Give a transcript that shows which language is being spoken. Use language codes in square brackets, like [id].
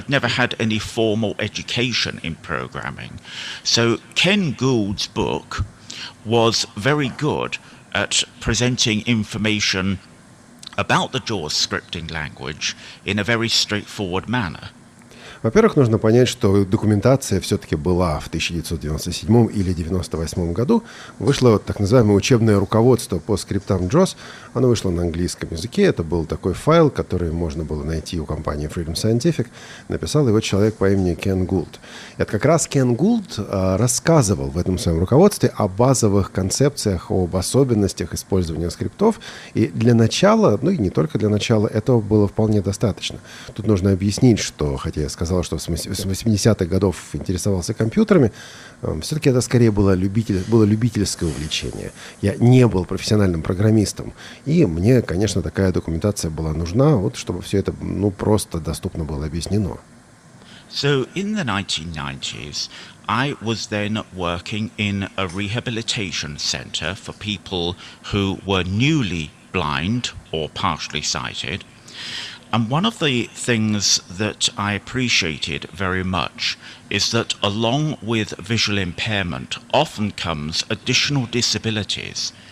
[en] I'd never had any formal education in programming. So Ken Gould's book was very good at presenting information about the JAWS scripting language in a very straightforward manner. [ru] Во-первых, нужно понять, что документация все-таки была в 1997 или 1998 году. Вышло так называемое учебное руководство по скриптам JAWS. Оно вышло на английском языке. Это был такой файл, который можно было найти у компании Freedom Scientific. Написал его человек по имени Кен Гулд. И это как раз Кен Гулд рассказывал в этом своем руководстве о базовых концепциях, об особенностях использования скриптов. И для начала, ну и не только для начала, этого было вполне достаточно. Тут нужно объяснить, что, хотя я сказал, что с 80-х годов интересовался компьютерами, все-таки это скорее было любительское увлечение. Я не был профессиональным программистом. И мне, конечно, такая документация была нужна, вот чтобы все это ну, просто доступно было объяснено. [en] So in the 1990s, I was then working in a rehabilitation center for people who were newly blind or partially sighted. And one of the things that I appreciated very much is that along with visual impairment often comes additional disabilities.